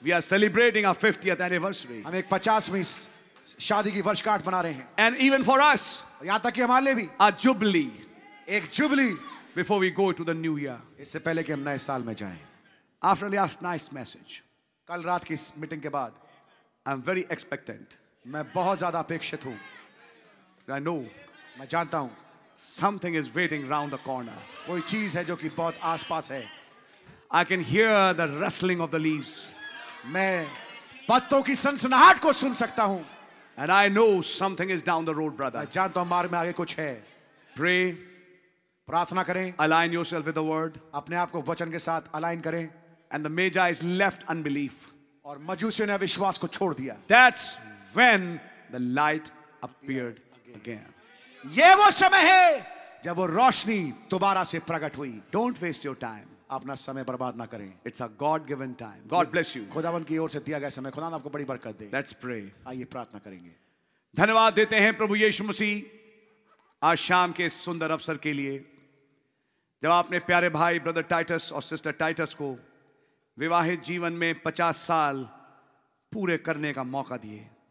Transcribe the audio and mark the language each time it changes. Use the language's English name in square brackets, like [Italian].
[English] We are celebrating our 50th anniversary. [Hindi] हम एक 50वीं शादी की वर्षगांठ मना रहे हैं. [English] And even for us. [Hindi] यहाँ तक कि हमारे लिए भी. [English] A jubilee. [Hindi] एक jubilee. [English] Before we go to the new year. [Hindi] इससे पहले कि हम नए साल में जाएं. [English] After last night's message. [Hindi] कल रात की मीटिंग के बाद. [English] I'm very expectant. [Hindi] मैं बहुत ज़्यादा अपेक्षित हूँ. [English] I know. [Hindi] मैं जानता हूँ. [English] Something is waiting round the corner. [Hindi] कोई चीज़ है जो कि बहुत आसपास है. [English] I can hear the rustling of the leaves. [Hindi] मैं पत्तों की सनसनाहट को सुन सकता हूँ. [English] And I know something is down the road, brother. [Hindi] मैं जानता हूँ मार्ग में आगे कुछ है. [English] Pray. [Hindi] प्रार्थना करें. [English] Align yourself with the word. [Hindi] अपने आप को वचन के साथ अलाइन करें. [English] And the Magi is left unbelief. [Hindi] और मजूसियों ने अविश्वास को छोड़ दिया. [English] That's when the light appeared again. [Hindi] ये वो समय है जब वो रोशनी दोबारा से प्रकट हुई. [English] Don't waste your time. [Hindi] अपना समय बर्बाद ना करें. [English] It's a God-given time. God bless you. [Hindi] खुदावंत की ओर से दिया गया समय खुदा आपको बड़ी बरकत दे. [English] Let's pray. [Hindi] आइए प्रार्थना करेंगे. धन्यवाद देते हैं प्रभु यीशु मसीह आज शाम के सुंदर अवसर के लिए जब आपने प्यारे भाई ब्रदर टाइटस और सिस्टर टाइटस को विवाहित जीवन में 50 साल पूरे करने का मौका दिए.